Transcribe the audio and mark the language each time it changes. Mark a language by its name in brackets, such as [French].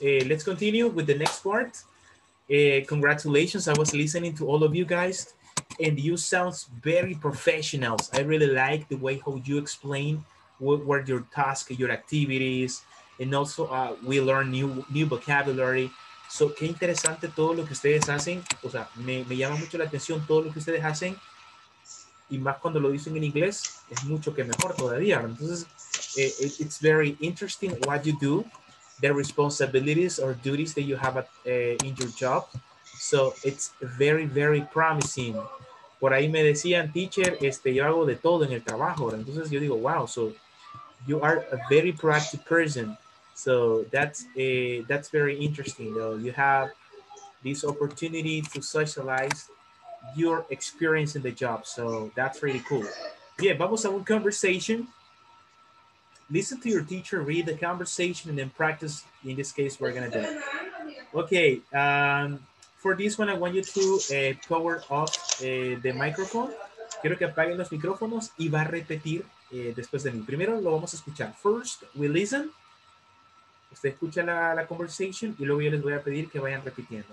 [English] Let's continue with the next part. Congratulations. I was listening to all of you guys, and you sound very professionals. I really like the way how you explain what were your tasks, your activities, and also we learn new vocabulary. [Spanish] So, qué interesante todo lo que ustedes hacen. O sea, me llama mucho la atención todo lo que ustedes hacen. Y más cuando lo dicen en inglés, es mucho que mejor todavía. [English] Entonces, it's very interesting what you do, the responsibilities or duties that you have in your job. So, it's very, very promising. [Spanish] Por ahí me decían, teacher, yo hago de todo en el trabajo. Entonces, yo digo, [English] wow, so you are a very proactive person. So, that's very interesting, though. You have this opportunity to socialize your experience in the job. So that's really cool. Yeah, [Spanish] vamos a un [English] conversation. Listen to your teacher, read the conversation, and then practice. In this case, we're going to do it. Okay. For this one, I want you to power off the microphone. [Spanish] Quiero que apaguen los micrófonos y va a repetir después de mí. Primero lo vamos a escuchar. [English] First, we listen. [Spanish] Usted escucha la conversation y luego yo les voy a pedir que vayan repitiendo.